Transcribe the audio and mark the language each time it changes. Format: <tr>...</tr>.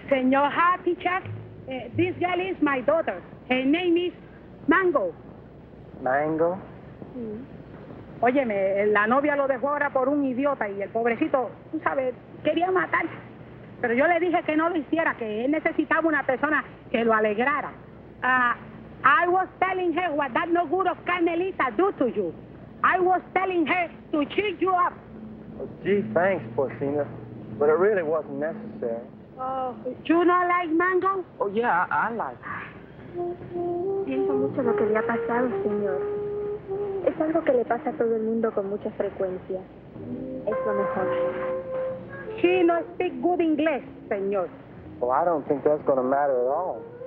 <en>Your happy chap, this girl is my daughter. Her name is Mango. Mango?</en> <es>Sí. Oye, la novia lo dejó ahora por un idiota y el pobrecito, tú sabes, quería matar. Pero yo le dije que no lo hiciera, que él necesitaba una persona que lo alegrara.</es> <en>I was telling her what that no good of Carmelita do to you. I was telling her to cheer you up. Oh, gee, thanks, Porcina. But it really wasn't necessary. Oh, you not like Mango? Oh, yeah, I like.</en> <es>Siento mucho lo que le ha pasado, señor. Es algo que le pasa a todo el mundo con mucha frecuencia. Es lo mejor.</es> <en>She no speak good English, señor. Well, I don't think that's going to matter at all.</en>